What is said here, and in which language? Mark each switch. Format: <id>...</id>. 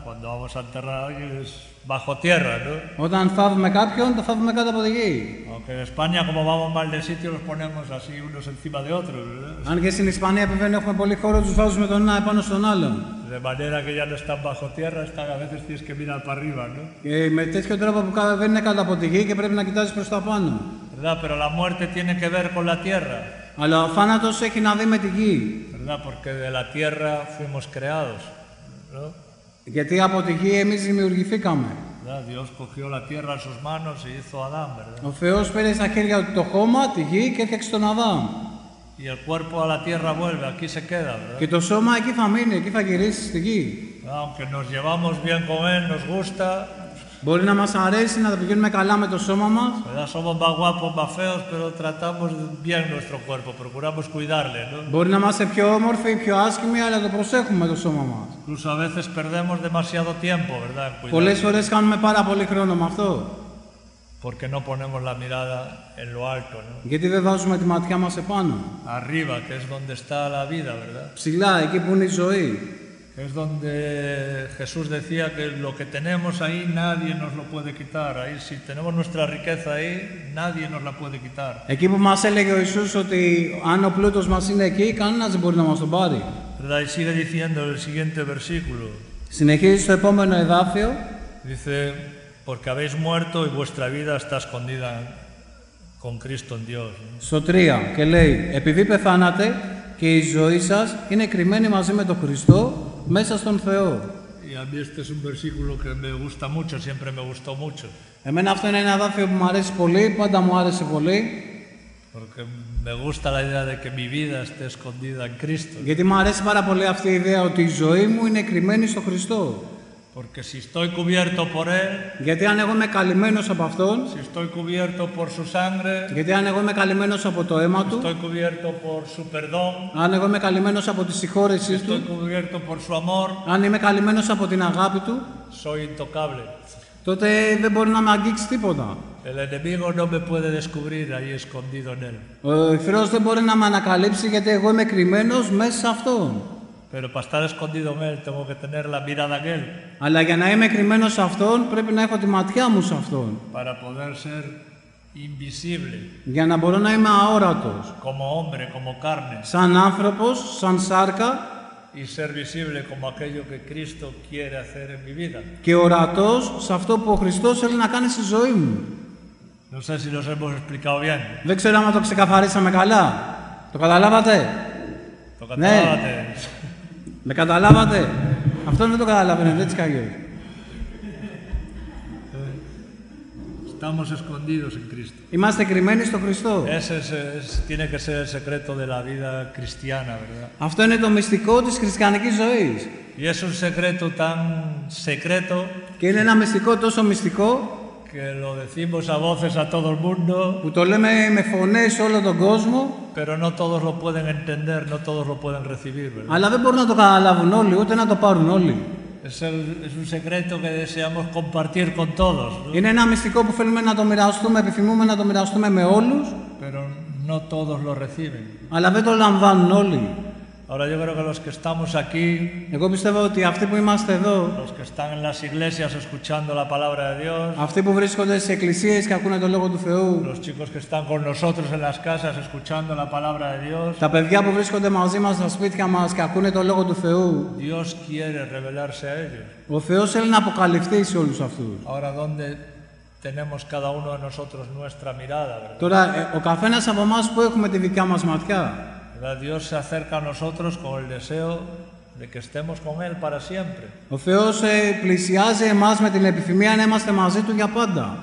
<es>Cuando vamos a enterrar a alguien es bajo tierra, ¿no?</es> <el>Όταν θαύουμε κάποιον, το θαύουμε κάτω από τη γη.</el> <es>Aunque en España, como vamos mal de sitio, los ponemos así unos encima de otros, ¿verdad?</es> <el>Αν και στην Ισπανία που δεν έχουμε πολύ χώρο, τους βάζουμε τον ένα επάνω στον άλλον.</el> <es>De manera que ya no están bajo tierra, están a veces tienes que mirar para arriba, ¿no?</es> <el>Και με τέτοιο τρόπο που δεν είναι κάτω από τη γη και πρέπει να κοιτάζεις προς τα πάνω.</el> <es>¿Verdad? Pero la muerte tiene que ver con la tierra.</es> <el>Αλλά ο θάνατος έχει να δει με τη γη.</el> <es>¿Verdad? Porque de la tierra fuimos creados, ¿no?</es> <el>Γιατί από τη γη εμείς δημιουργηθήκαμε.</el> <es>Dios cogió la tierra en sus manos y hizo Adán, ¿verdad?</es> <el>Ο Θεός πήρε στα χέρια του το χώμα, τη γη και έφτιαξε τον Αδάμ.</el> <es>Y el cuerpo a la tierra vuelve, aquí se queda, ¿verdad?</es> <el>Και το σώμα εκεί θα μείνει, εκεί θα γυρίσει στη γη.</el> <es>Aunque nos llevamos bien con él, nos gusta.</es> <el>Μπορεί να μας αρέσει να τα πηγαίνουμε καλά με το σώμα μας.</el> <es>¿Verdad? Somos más guapos, más feos, pero tratamos bien nuestro cuerpo, procuramos cuidarle, ¿no?</es> <el>Μπορεί να είμαστε πιο όμορφοι ή πιο άσχημοι, αλλά το προσέχουμε το σώμα μας.</el> <es>Incluso a veces perdemos demasiado tiempo, ¿verdad? Cuidarle.</es> <el>Πολλές φορές κάνουμε πάρα πολύ χρόνο με αυτό.</el> <es>Porque no ponemos la mirada en lo alto, ¿no?</es> <el>Γιατί δεν βάζουμε τη ματιά μας επάνω.</el> <es>Arriba, que es donde está la vida, ¿verdad?</es> <el>Ψηλά, εκεί που είναι η ζωή.</el> <es>Es donde Jesús decía que lo que tenemos ahí nadie nos lo puede quitar. Ahí si tenemos nuestra riqueza ahí, nadie nos la puede quitar.</es> <el>Εκεί που μας έλεγε ο Ιησούς ότι αν ο πλούτος μας είναι εκεί, κανένας δεν μπορεί να μας τον πάρει.</el> <es>Verdad, y sigue diciendo el siguiente versículo.</es> <el>Συνεχίζει στο επόμενο εδάφιο.</el> <es>Dice, porque habéis muerto y vuestra vida está escondida con Cristo en Dios.</es> <el>Στο 3 και λέει, επειδή πεθάνατε και η ζωή σας είναι κρυμμένη μαζί με τον Χριστό μέσα στον Θεό.</el> <es>Y a mí este es un versículo que me gusta mucho, siempre me gustó mucho.</es> <el>Εμένα αυτό είναι ένα εδάφιο που μου αρέσει πολύ, πάντα μου άρεσε πολύ.</el> <es>Porque me gusta la idea de que mi vida esté escondida en Cristo.</es> <el>Γιατί μου αρέσει πάρα πολύ αυτή η ιδέα ότι η ζωή μου είναι κρυμμένη στον Χριστό.</el> <es>Porque si estoy cubierto por él,</es> <el>γιατί αν εγώ είμαι καλυμμένος από αυτόν,</el> <es>si estoy cubierto por su sangre,</es> <el>γιατί αν εγώ είμαι καλυμμένος από το αίμα του,</el> <es>estoy cubierto por su perdón,</es> <el>αν εγώ είμαι καλυμμένος από τη συγχώρεσή του,</el> <es>estoy cubierto por su amor,</es> <el>αν είμαι καλυμμένος από την αγάπη του,</el> <es>soy intocable.</es> <el>Τότε δεν μπορεί να με αγγίξει τίποτα.</el> <es>El enemigo no me puede descubrir ahí escondido en él.</es> <el>Ο εχθρός δεν μπορεί να με ανακαλύψει γιατί εγώ είμαι κρυμμένος μέσα σε αυτόν.</el> <es>Pero para estar escondido en él tengo que tener la mirada en él.</es> <el>Αλλά για να είμαι κρυμμένος σε αυτόν πρέπει να έχω τη ματιά μου σε αυτόν.</el> <es>Para poder ser invisible.</es> <el>Για να μπορώ να είμαι αόρατος.</el> <es>Como hombre, como carne.</es> <el>Σαν άνθρωπος, σαν σάρκα.</el> <es>Y ser visible como aquello que Cristo quiere hacer en mi vida.</es> <el>Και ορατός σε αυτό που ο Χριστός θέλει να κάνει στη ζωή μου.</el> <es>No sé si los hemos explicado bien.</es> <el>Δεν ξέρω αν το ξεκαθαρίσαμε καλά. Το καταλάβατε? Το καταλάβατε? Ναι. Με καταλάβατε? Αυτό δεν το καταλάβαινε, δεν τις κάγει.</el> <es>Estamos escondidos en Cristo.</es> <el>Είμαστε κρυμμένοι στο Χριστό.</el> <es>Tiene que ser el secreto de la vida cristiana, ¿verdad?</es> <el>Αυτό είναι το μυστικό της χριστιανικής ζωής.</el> <es>Y es un secreto tan secreto.</es> <el>Και είναι ένα μυστικό τόσο μυστικό.</el> <es>Que lo decimos a voces a todo el mundo.</es> <el>Που το λέμε με φωνές σε όλο τον κόσμο.</el> <es>Pero no todos lo pueden entender, no todos lo pueden recibir, ¿verdad?</es> <el>Αλλά δεν μπορούν να το καταλάβουν όλοι, ούτε να το πάρουν όλοι.</el> <es>Es un secreto que deseamos compartir con todos.</es> <el>Είναι ένα μυστικό που θέλουμε να το μοιραστούμε, επιθυμούμε να το μοιραστούμε με όλους.</el> <es>Pero no todos lo reciben.</es> <el>Αλλά δεν το λαμβάνουν όλοι.</el> <es>Ahora yo creo que los que estamos aquí,</es> <el>εγώ πιστεύω ότι αυτοί που είμαστε εδώ,</el> <es>los que están en las iglesias escuchando la palabra de Dios,</es> <el>αυτοί που βρίσκονται στις εκκλησίες και ακούνε το λόγο του Θεού,</el> <es>los chicos que están con nosotros en las casas escuchando la palabra de Dios,</es> <el>τα παιδιά που βρίσκονται μαζί μας στα σπίτια μας και ακούνε το λόγο του Θεού,</el> <es>Dios quiere revelarse a ellos.</es> <el>Ο Θεός θέλει να αποκαλυφθεί σε όλους αυτούς.</el> <es>Ahora donde tenemos cada uno de nosotros nuestra mirada, ¿verdad?</es> <el>Τώρα, ο καθένας από εμάς που έχουμε τη δικιά μας ματιά.</el> <es>Dios se acerca a nosotros con el deseo de que estemos con él para siempre.</es> <el>Ο Θεός πλησιάζει εμάς με την επιθυμία να είμαστε μαζί του για πάντα.</el>